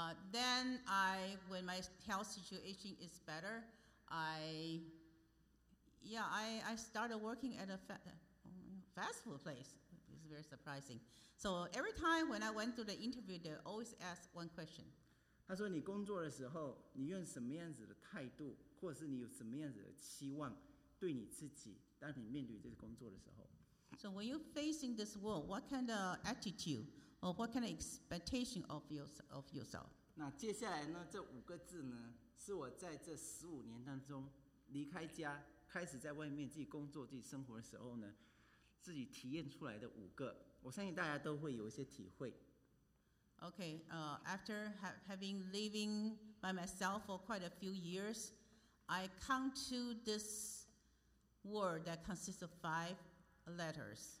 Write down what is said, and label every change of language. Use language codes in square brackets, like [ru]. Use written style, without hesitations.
[en] Then when my health situation is better, I Yeah, I started working at a fast food place. It's very surprising. So every time when I went through the interview, they always ask one question. [zh] 他说你工作的时候，你用什么样子的态度，或者是你有什么样子的期望，对你自己，当你面对这个工作的时候。 [en] So when you're facing this world, what kind of attitude or what kind of expectation of yourself? [zh] 那接下来呢，这五个字呢，是我在这十五年当中离开家，开始在外面自己工作、自己生活的时候呢，自己体验出来的五个，我相信大家都会有一些体会。 [en] Okay, after having living by myself for quite a few years, I come to this word that consists of five letters.